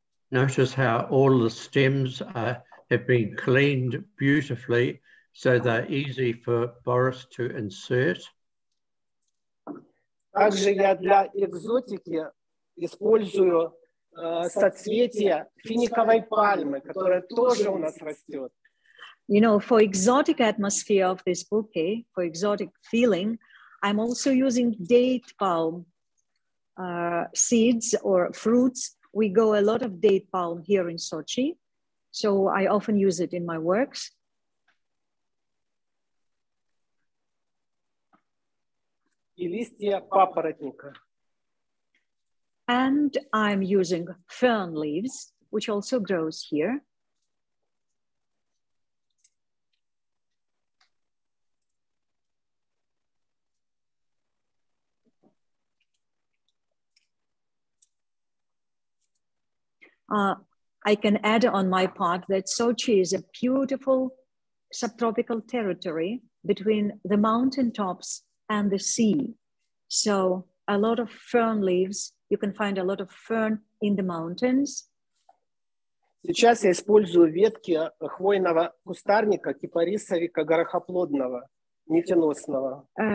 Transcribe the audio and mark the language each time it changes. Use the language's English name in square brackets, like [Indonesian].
[English] Notice how all the stems have been cleaned beautifully, so they're easy for Boris to insert. [Russian] Также я для экзотики использую соцветия финиковой пальмы, которая тоже у нас растет. [English] You know, for exotic atmosphere of this bouquet, for exotic feeling, I'm also using date palm seeds or fruits. We go a lot of date palm here in Sochi, so I often use it in my works. [Russian] И листья папоротника. [English] And I'm using fern leaves, which also grows here. I can add on my part that Sochi is a beautiful subtropical territory between the mountain tops and the sea. So a lot of fern leaves, you can find a lot of fern in the mountains. [Russian] Сейчас я использую ветки хвойного кустарника, кипарисовика горохоплодного, нитеносного.